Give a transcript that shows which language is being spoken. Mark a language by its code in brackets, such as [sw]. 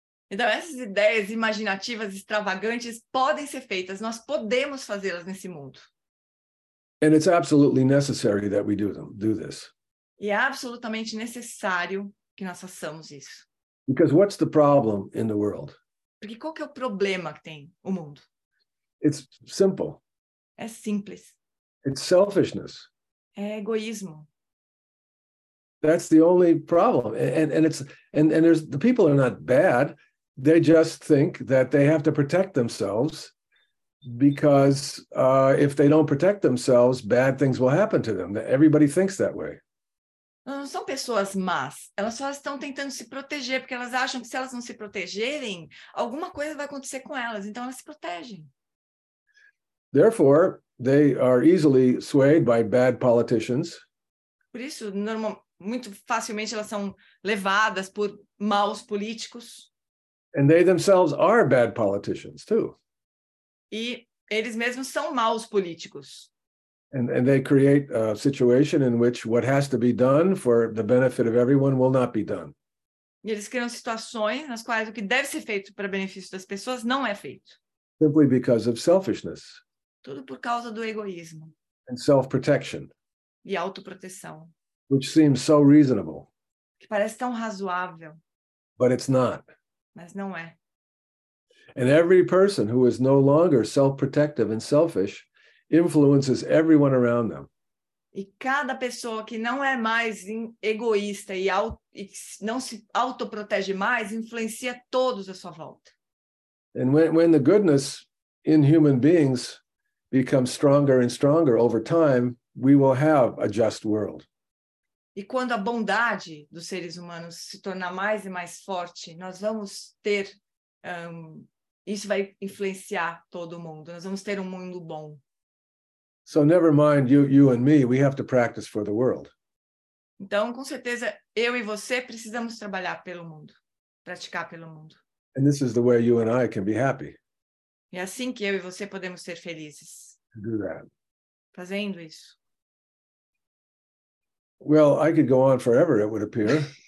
[pt] Então essas ideias imaginativas extravagantes podem ser feitas. Nós podemos fazê-las nesse mundo. [en] And it's absolutely necessary that we do this. [pt] E é absolutamente necessário que nós façamos isso. [en] Because what's the problem in the world? [pt] Porque qual que é o problema que tem o mundo? [en] It's simple. [pt] É simples. [en] It's selfishness. [pt] É egoísmo. [en] That's the only problem. And there's the people are not bad. They just think that they have to protect themselves because if they don't protect themselves, bad things will happen to them. Everybody thinks that way. [pt] Não são pessoas más. Elas só estão tentando se proteger porque elas acham que se elas não se protegerem, alguma coisa vai acontecer com elas. Então elas se protegem. [en] Therefore, they are easily swayed by bad politicians. [pt] Por isso, muito facilmente elas são levadas por maus políticos. [en] And they themselves are bad politicians too. [pt] E eles mesmos são maus políticos. [en] And they create a situation in which what has to be done for the benefit of everyone will not be done. [pt] E eles criam situações nas quais o que deve ser feito para benefício das pessoas não é feito. [en] Simply because of selfishness. [pt] Tudo por causa do egoísmo. [en] And self-protection. [pt] E autoproteção. [en] Which seems so reasonable. [pt] Que parece tão razoável. [en] But it's not. [pt] Mas não é. [en] And every person who is no longer self-protective and selfish influences everyone around them. [pt] E cada pessoa que não é mais egoísta e não se autoprotege mais, influencia todos à sua volta. [en] And when the goodness in human beings becomes stronger and stronger over time, we will have a just world. [pt] E quando a bondade dos seres humanos se tornar mais e mais forte, nós vamos ter, isso vai influenciar todo mundo, nós vamos ter um mundo bom. [en] So never mind you and me, we have to practice for the world. [pt] Então, com certeza, eu e você precisamos trabalhar pelo mundo, praticar pelo mundo. [en] And this is the way you and I can be happy. [pt] E assim que eu e você podemos ser felizes. [en] Do that. [pt] Fazendo isso. [en] Well, I could go on forever, it would appear.